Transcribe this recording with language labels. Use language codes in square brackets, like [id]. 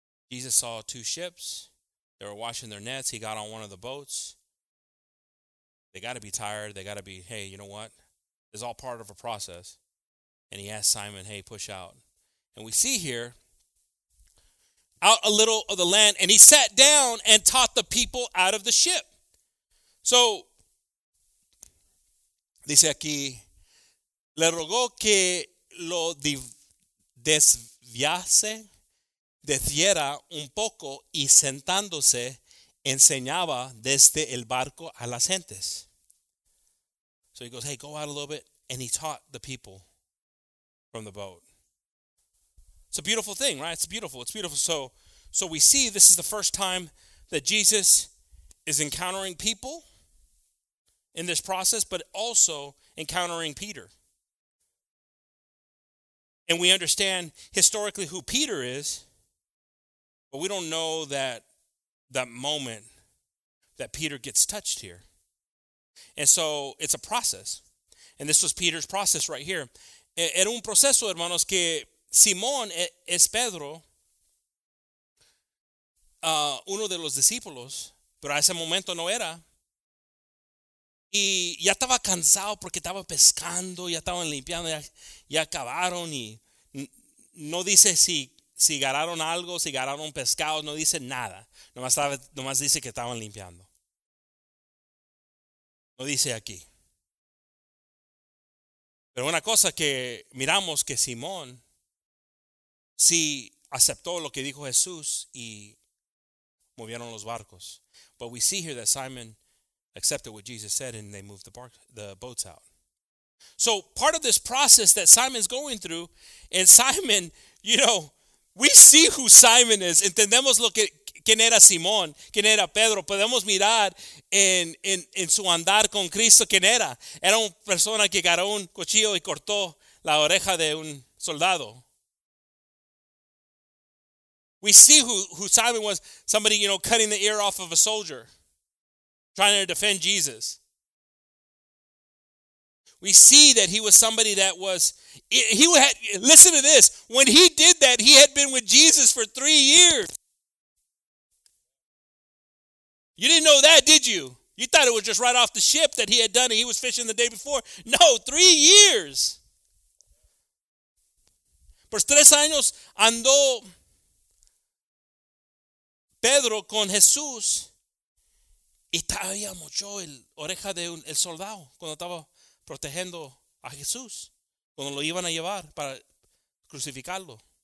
[en] Jesus saw two ships. They were washing their nets. He got on one of the boats. They got to be tired. They got to be, hey, you know what? It's all part of a process. And he asked Simon, hey, push out. And we see here, out a little of the land, and he sat down and taught the people out of the ship. [es] So, dice aquí, le rogó que lo desviase de tierra un poco y sentándose enseñaba desde el barco a las gentes. [en] So he goes, hey, go out a little bit. And he taught the people from the boat. It's a beautiful thing, right? It's beautiful. It's beautiful. So we see this is the first time that Jesus is encountering people in this process, but also encountering Peter. And we understand historically who Peter is, but we don't know that moment that Peter gets touched here. And so it's a process. And this was Peter's process right here. [es] Era un proceso, hermanos, que Simón es Pedro, uno de los discípulos, pero a ese momento no era. Y ya estaba cansado porque estaba pescando, ya estaban limpiando, ya acabaron y no dice si ganaron algo, si ganaron pescado, no dice nada. Nomás dice que estaban limpiando. No dice aquí. Pero una cosa que miramos que Simón sí aceptó lo que dijo Jesús y movieron los barcos. [en] But we see here that Simon accepted what Jesus said and they moved the boats out. So part of this process that Simon's going through, and Simon, you know, we see who Simon is. [es] Entendemos lo que, quien era Simón, quien era Pedro. Podemos mirar en su andar con Cristo, quien era. Era una persona que agarró un cuchillo y cortó la oreja de un soldado. [en] We see who Simon was. Somebody, you know, cutting the ear off of a soldier, trying to defend Jesus. We see that he was somebody that was, he had, listen to this, when he did that, he had been with Jesus for 3 years. You didn't know that, did you? You thought it was just right off the ship that he had done it, he was fishing the day before. No, 3 years. [es] Por tres años andó Pedro con Jesús y todavía mochó el oreja de un, el soldado cuando estaba protegiendo a Jesús cuando lo iban a llevar para crucificarlo.